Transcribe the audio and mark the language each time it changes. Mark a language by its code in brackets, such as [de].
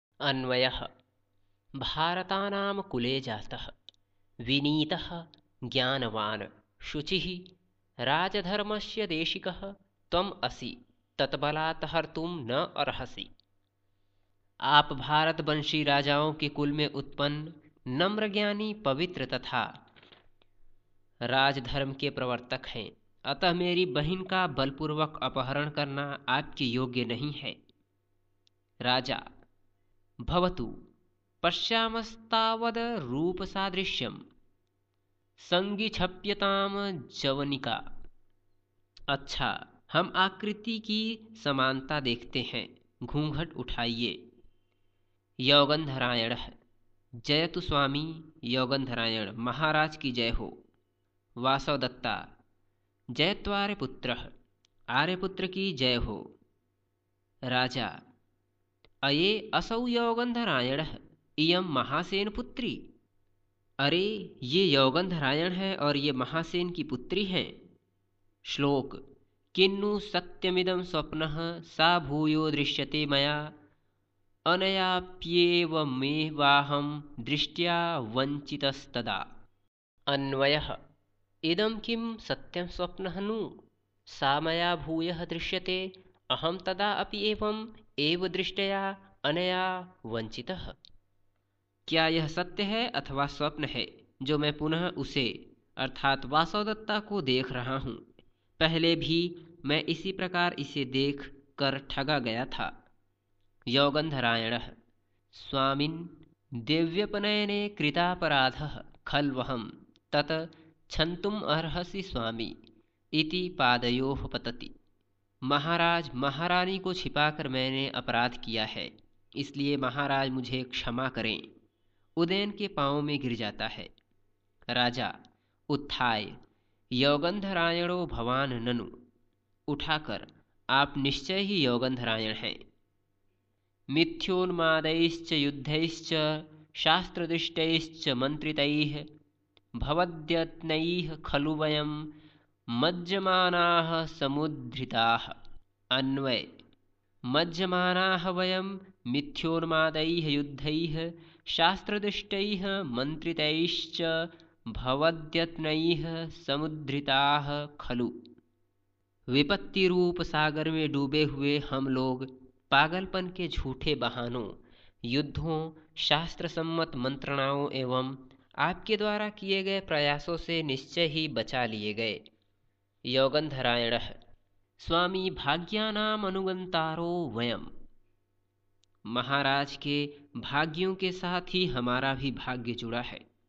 [sa] अन्वयः भारतानां कुले जातः विनीतः ज्ञानवान शुचिः राजधर्मस्य देशिकः त्वम् असि तत्बलात् हर्तुम् न अर्हसि। [hi] आप भारतवंशी राजाओं के कुल में उत्पन्न नम्र ज्ञानी पवित्र तथा राजधर्म के प्रवर्तक हैं, अतः मेरी बहन का बलपूर्वक अपहरण करना आपके योग्य नहीं है। [sa] राजा भवतु पश्यामस्तावद् रूपसादृश्यम् संगिक्षप्यताम जवनिका। [hi] अच्छा हम आकृति की समानता देखते हैं, घूंघट उठाइए। यौगंधरायण [sa] जयतु स्वामी। [hi] यौगंधरायण महाराज की जय हो। वासवदत्ता [sa] जयत्वारे पुत्र [hi] आर्य पुत्र की जय हो। [sa] राजा अये असौ यौगंधरायण इयं महासेन पुत्री। [hi] अरे ये यौगंधरायण है और ये महासेन की पुत्री हैं। [sa] श्लोक किन्नु सत्यमिदं स्वप्नः सा भूयो दृश्यते मया अनयाप्येवमेवाहं दृष्ट्या वञ्चितस्तदा। अन्वयः इदं किं सत्यं स्वप्नः नु सा मया भूयः दृश्यते अहं तदा अपि एवम् एव दृष्ट्या अनया वञ्चितः। [hi] क्या यह सत्य है अथवा स्वप्न है जो मैं पुनः उसे अर्थात वासवदत्ता को देख रहा हूँ। पहले भी मैं इसी प्रकार इसे देख कर ठगा गया था। [sa] यौगंधरायण स्वामिन् देव्यपनयने कृतापराधः खल्वहं तत क्षन्तुम् अर्हसि स्वामी इति पादयोः पतति। [hi] महाराज महारानी को छिपाकर मैंने अपराध किया है, इसलिए महाराज मुझे क्षमा करें। उदयन के पांव में गिर जाता है। [sa] राजा उत्थाय यौगंधरायणो भवान ननु, [hi] उठाकर आप निश्चय ही यौगंधरायण हैं। [sa] मिथ्योन्मादैश्च युद्धैश्च शास्त्रदुष्टैश्च मन्त्रितैः भवद्यत्नैः खलु वयं मज्जमानाः समुद्धृताः। अन्वय, मज्जमानाः वयं मिथ्योन्मादैः युद्धैः शास्त्रदुष्टैः मन्त्रितैश्च भवद्यत्नैः समुद्धृताः खलु। [hi] विपत्ति रूप सागर में डूबे हुए हम लोग पागलपन के झूठे बहानों, युद्धों, शास्त्र सम्मत मंत्रणाओं एवं आपके द्वारा किए गए प्रयासों से निश्चय ही बचा लिए गए। यौगंधरायण, [sa] स्वामी भाग्यानाम अनुगंतारो वयम्, [hi] महाराज के भाग्यों के साथ ही हमारा भी भाग्य जुड़ा है।